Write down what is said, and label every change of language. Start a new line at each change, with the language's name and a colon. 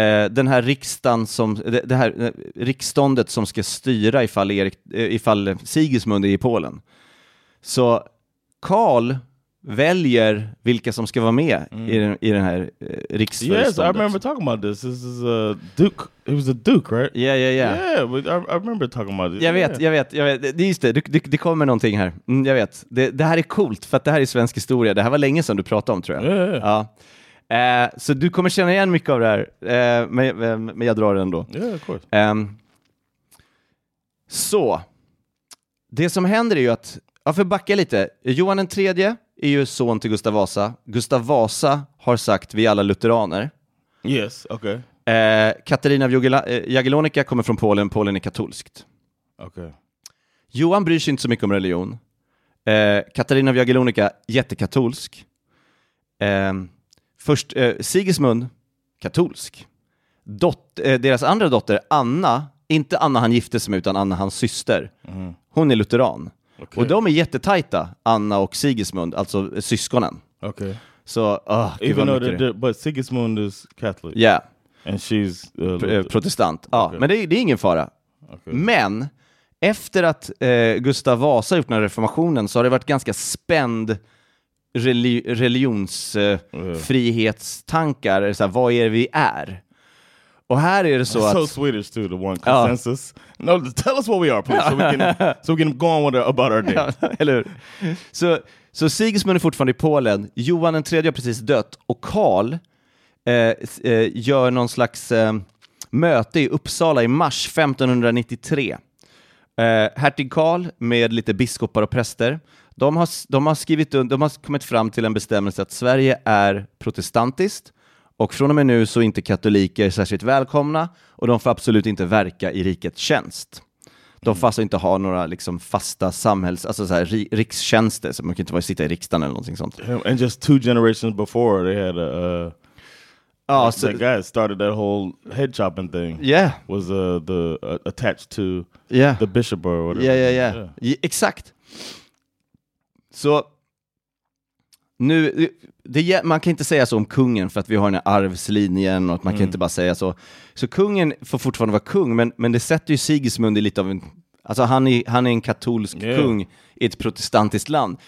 Swedish: Den här riksdagen som... Det här riksståndet som ska styra ifall Sigismund är i Polen. Så Karl väljer vilka som ska vara med i den här riksföreståndet.
English: Yes, I remember talking about this. This is a duke. It was a duke, right? Yeah. Yeah, I remember talking about this.
Swedish: Jag vet. Just det, det kommer någonting här. Mm, jag vet. Det här är coolt, för att det här är svensk historia. Det här var länge sedan du pratade om, tror jag.
English: Yeah.
Swedish: Ja. Så du kommer känna igen mycket av det här. Men jag drar det ändå.
English: Yeah, of course.
Swedish: Så. Det som händer är ju att... Ja, för att backa lite. Johan den tredje är ju son till Gustav Vasa. Gustav Vasa har sagt, vi alla lutheraner.
English: Yes, okay.
Swedish: Katarina av Jagiellonica kommer från Polen. Polen är katolskt.
English: Okay.
Swedish: Johan bryr sig inte så mycket om religion. Katarina av Jagiellonica, jättekatolsk. Först Sigismund, katolsk. Deras andra dotter, Anna. Inte Anna han gifte sig med, utan Anna hans syster. Mm. Hon är lutheran.
English: Okay.
Swedish: Och de är jättetajta, Anna och Sigismund, alltså syskonen.
English: Okay.
Swedish: Så,
English: even though but Sigismund is Catholic. Yeah. And she's protestant.
Swedish: Ja, okay. Men det är ingen fara.
English: Okay.
Swedish: Men efter att Gustav Vasa gjort den här reformationen, så har det varit ganska spänd religionsfrihetstankar. Så här, vad är det vi är? Och här är det så
English: so Swedish too, the one consensus.
Swedish: Ja.
English: No, tell us what we are, please, so we can go on with about our day.
Swedish: Ja, eller hur? Så Sigismund är fortfarande i Polen. Johan den tredje har precis dött. Och Karl gör någon slags möte i Uppsala i mars 1593. Hertig Karl med lite biskopar och präster. De har kommit fram till en bestämmelse att Sverige är protestantiskt. Och från och med nu så är inte katoliker särskilt välkomna. Och de får absolut inte verka i rikets tjänst. De får alltså inte ha några liksom fasta samhälls... Alltså så här, rikstjänster. Så man kan inte bara sitta i riksdagen eller någonting sånt.
English: And just two generations before they had a... So that guy started that whole head chopping thing. Yeah. Was attached to the bishop or whatever. Yeah.
Swedish: Exakt. Så nu, det, man kan inte säga så om kungen för att vi har den här arvslinjen och att man kan inte bara säga så. Så kungen får fortfarande vara kung, men det sätter ju Sigismund i lite av en... Alltså han är en katolsk kung i ett protestantiskt land.